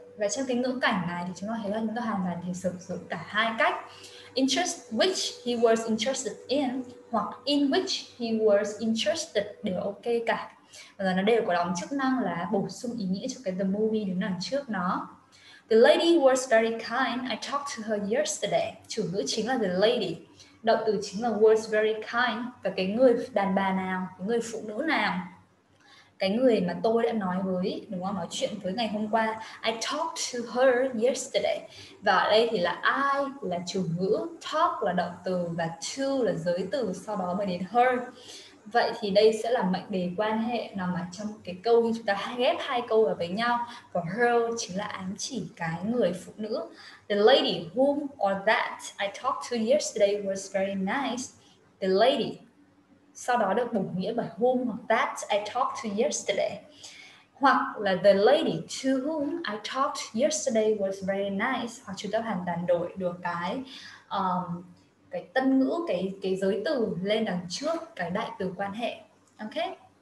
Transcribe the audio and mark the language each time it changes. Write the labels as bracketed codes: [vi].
[vi] Và trong cái ngữ cảnh này thì chúng ta thấy là chúng ta hoàn toàn thể sử dụng cả hai cách, [en] interest which he was interested in [vi] hoặc [en] in which he was interested [vi] đều ok cả, và nó đều có đóng chức năng là bổ sung ý nghĩa cho cái the movie đứng đằng trước nó. [en] The lady was very kind, I talked to her yesterday. [vi] Chủ ngữ chính là the lady, động từ chính là was very kind, và cái người đàn bà nào, cái người phụ nữ nào, cái người mà tôi đã nói với, đúng không, nói chuyện với ngày hôm qua, [en] I talked to her yesterday. [vi] Và ở đây thì là I là chủ ngữ, talk là động từ và to là giới từ, sau đó mới đến her. Vậy thì đây sẽ là mệnh đề quan hệ nằm ở trong cái câu như chúng ta ghép hai câu vào với nhau. Và her chính là ám chỉ cái người phụ nữ. [en] The lady whom or that I talked to yesterday was very nice. The lady, [vi] sau đó được bổ nghĩa bởi [en] whom [vi] hoặc [en] that I talked to yesterday. [vi] Hoặc là [en] the lady to whom I talked yesterday was very nice. [vi] Hoặc chúng ta hoàn toàn đổi được cái tân ngữ, cái giới từ lên đằng trước cái đại từ quan hệ. Ok.